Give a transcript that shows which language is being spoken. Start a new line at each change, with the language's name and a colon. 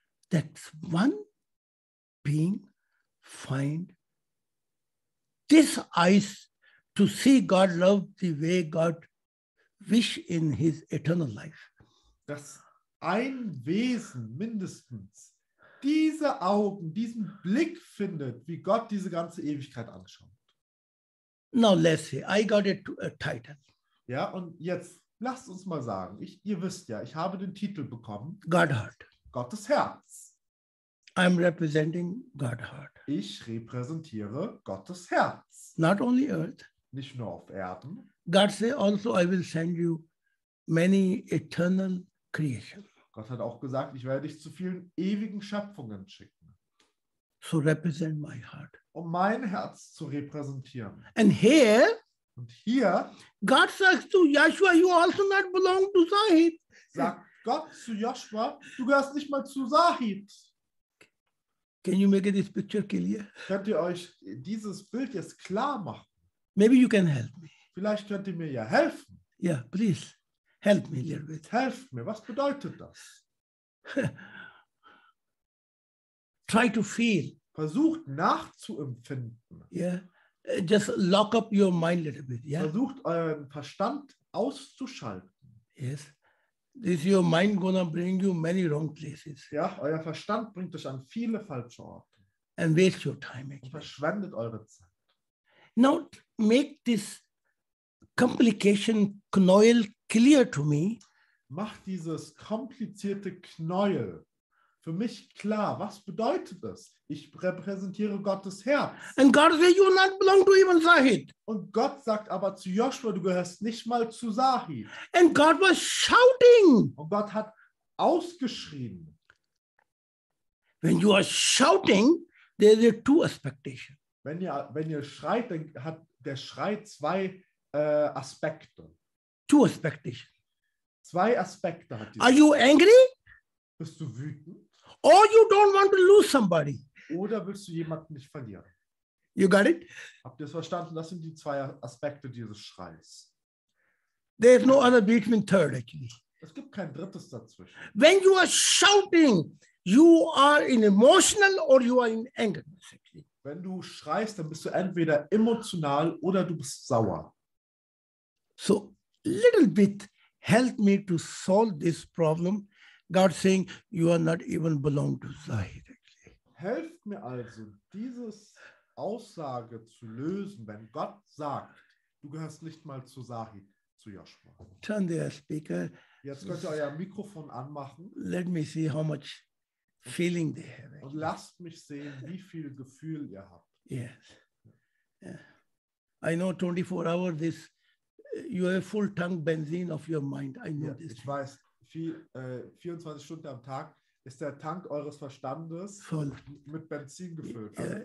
English: that one being find this eyes to see God love the way God wish in his eternal life.
German: Dass ein Wesen mindestens diese Augen, diesen Blick findet, wie Gott diese ganze Ewigkeit anschaut.
English: Now let's see, I got it to a title.
German: Ja, und jetzt lasst uns mal sagen, ihr wisst ja, ich habe den Titel bekommen.
English: God Heart.
German: Gottes Herz.
English: I'm representing God Heart.
German: Ich repräsentiere Gottes Herz.
English: Not only Earth.
German: Nicht nur auf Erden.
English: God say also I will send you many eternal creations.
German: Gott hat auch gesagt, ich werde dich zu vielen ewigen Schöpfungen schicken.
English: So represent my heart.
German: Um mein Herz zu repräsentieren.
English: And here.
German: Und hier.
English: God says to Joshua, you also not belong to Zahid.
German: Sagt Gott zu Joshua, du gehörst nicht mal zu Zahid.
English: Can you make this picture clear?
German: Könnt ihr euch dieses Bild jetzt klar machen?
English: Maybe you can help me.
German: Vielleicht könnt ihr mir ja helfen.
English: Yeah, please. Help me a little bit.
German: Helf mir, was bedeutet das?
English: Try to feel.
German: Versucht nachzuempfinden.
English: Yeah. Just lock up your mind a little bit. Yeah?
German: Versucht euren Verstand auszuschalten.
English: Yes. Is your mind gonna bring you many wrong places?
German: Ja, euer Verstand bringt euch an viele falsche Orte.
English: And waste your time again.
German: Und verschwendet eure Zeit.
English: Now make this complication knäuel clear to me.
German: Mach dieses komplizierte Knäuel für mich klar. Was bedeutet das? Ich repräsentiere Gottes Herz.
English: And God says, you do not belong to even Zahid.
German: Und Gott sagt aber zu Joshua, du gehörst nicht mal zu Zahid.
English: And God was shouting.
German: Und Gott hat ausgeschrien.
English: When you are shouting, there are two expectations.
German: Wenn ihr schreit, dann hat der Schrei zwei Aspekte.
English: Two aspects.
German: Zwei Aspekte hat
English: die. Are you angry?
German: Bist du wütend?
English: Or you don't want to lose somebody?
German: Oder willst du jemanden nicht verlieren?
English: You got it?
German: Habt ihr es verstanden? Das sind die zwei Aspekte dieses Schreis.
English: There is no other between third actually.
German: Es gibt kein drittes dazwischen.
English: When you are shouting, you are in emotional or you are in anger.
German: Wenn du schreist, dann bist du entweder emotional oder du bist sauer.
English: So, little bit help me to solve this problem. God saying, you are not even belong to Zahid.
German: Helft mir also, diese Aussage zu lösen, wenn Gott sagt, du gehörst nicht mal zu Zahid, zu Joshua.
English: Turn the speaker.
German: Jetzt könnt ihr euer Mikrofon anmachen.
English: Let me see how much feeling they have.
German: Und lasst mich sehen, wie viel Gefühl ihr habt.
English: Yes. Yeah. I know 24 hours this. You have full tank benzene of your mind. I know this.
German: Ich weiß, 24 Stunden am Tag ist der Tank eures Verstandes voll mit Benzin gefüllt.